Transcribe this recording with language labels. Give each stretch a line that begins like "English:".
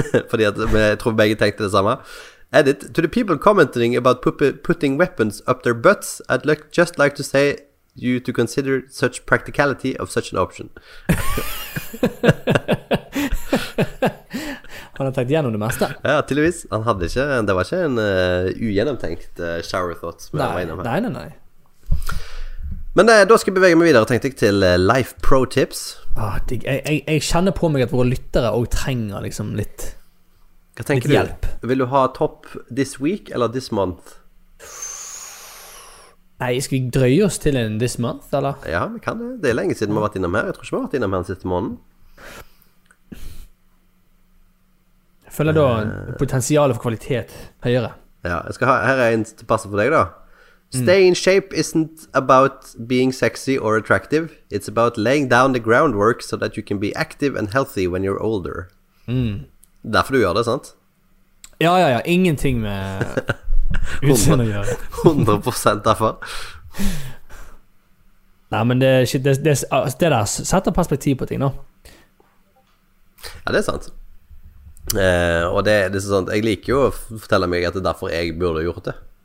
Norwegian: Fordi at, jeg tror begge tenkte det samme.
English: Edit. To the people commenting about putting weapons up their butts, I'd just like to say you to consider such practicality of such an option.
Norwegian: Han har tenkt gjennom det meste. Ja, tydeligvis. Han hadde ikke, det var ikke en ugjennomtenkt shower thought. Nei. Men da skal jeg bevege meg videre, tenkte jeg, til life pro tips. Jeg kjenner på meg at våre lyttere også trenger liksom litt, hva tenker litt hjelp. Du? Vil du ha topp this week eller this month? Nei, skal vi drøye oss til en this month, eller? Ja, vi kan det. Det er lenge siden vi har vært innom her. Jeg tror ikke vi har vært innom her den siste måneden. Jeg føler da potensialet for kvalitet høyere. Ja, jeg skal ha, her er en til passe for deg da.
English: Stay in shape isn't about being sexy or attractive. It's about laying down the groundwork so that you can be active and healthy when you're older. Mm.
Norwegian: Derfor du gjør det, sant? Ja, ja, ja. Ingenting med utseende å gjøre. 100% derfor. Nei, men det der setter perspektiv på ting nå. Ja, det er sant. Og det er sånn, jeg liker jo å fortelle meg at det er derfor jeg burde gjort det.